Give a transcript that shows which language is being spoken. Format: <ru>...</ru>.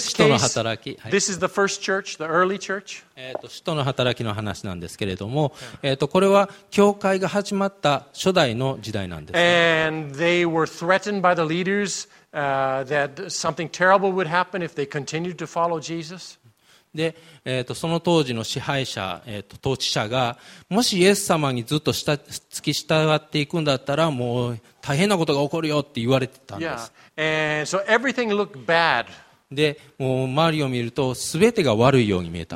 <en>In this case, this is the first church, the early church.</en> <ja>使徒の働きの話なんですけれども、これは教会が始まった初代の時代なんです、ね。</ja> <en>And they were threatened by the leaders, that something terrible would happen if they continued to follow Jesus.</en> <ja>で、その当時の支配者、統治者がもしイエス様にずっと付き従っていくんだったらもう大変なことが起こるよって言われてたんです。</ja> <en>Yeah. And so everything looked bad.</en> <ja>で、もう周りを見ると全てが悪いように見えた。</ja>